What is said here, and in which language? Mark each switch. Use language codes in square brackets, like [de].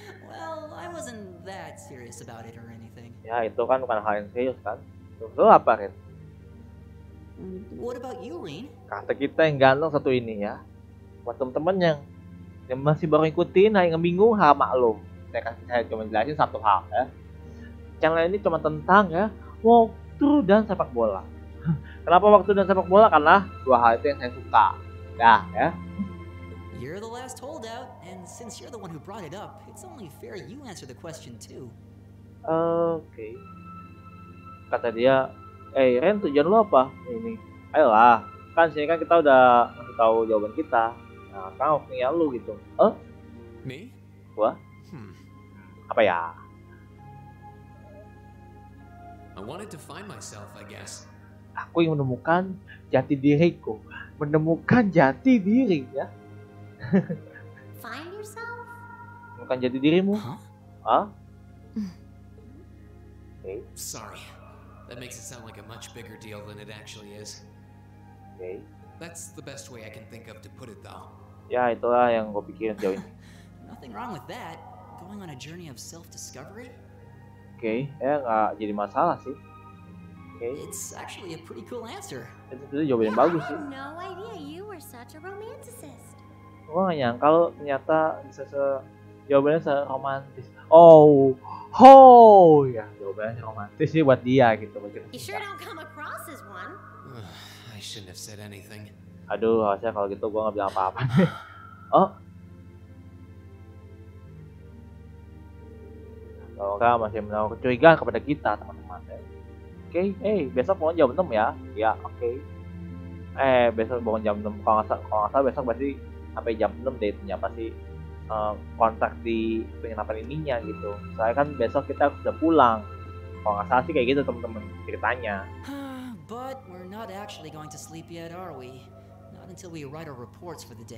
[en] Well, I wasn't that serious about it or anything. [id] Ya, itu kan bukan hal yang serius kan. Terus lu apa, Rin? [en] What about you, Rin? [id] Kata kita yang ganteng satu ini ya. Buat teman-teman yang masih baru ikutin, yang ngebingung, hal maklum. Saya kasih saya cuma jelasin satu hal ya. Channel ini cuma tentang ya waktu dan sepak bola. Kenapa waktu dan sepak bola? Karena dua hal itu yang saya suka. Dah ya. [en] You're the last holdout, and since you're the one who brought it up, it's only fair you answer the question too. [id] Oke. Okay. Kata dia, Ren, tujuan lo apa? Ini, ayolah. Kan sini kan kita udah tahu jawaban kita. Nah, kan waktunya lo gitu. [en] Me? [id] Gua? Apa ya? [en] I wanted to find myself, I guess. [id] Aku yang menemukan jati diriku. Menemukan jati diri, ya. [en] Find yourself? [id] Menemukan jati dirimu. Huh? [en] Okay. Sorry. That makes it sound like a much bigger deal than it actually is. Okay. That's the best way I can think of to put it, though. [id] Ya, itulah yang gue pikirin jauh ini. [en] Nothing wrong with that. Going on a journey of self-discovery? [id] Okay, ya nggak jadi masalah sih. Okay. [en] It's actually a pretty cool answer. [id] Itu jawaban yang bagus sih. [en] No idea you were such a romanticist. [id] Gua nggak nyangka kalau ternyata bisa jawabannya seromantis. Oh, ho, ya jawabannya romantis sih buat dia gitu. [en] You sure don't come across as one. I shouldn't have said anything. [id] Aduh, harusnya kalau gitu gua nggak bilang apa-apa nih. Oh. Kalau enggak masih menaruh kecurigaan kepada kita, teman-teman. Oke, okay. Hey, besok pulang jam 6 ya. Ya, oke. Okay. Besok pulang jam 6. Kalau enggak salah besok pasti sampai jam 6 date-nya. Pasti kontak di penginapan ininya gitu. Soalnya kan besok kita sudah pulang. Kalau enggak salah sih kayak gitu, teman-teman. Ceritanya. [en] But we're not actually going to sleep yet, are we? Not until we write our reports for the day.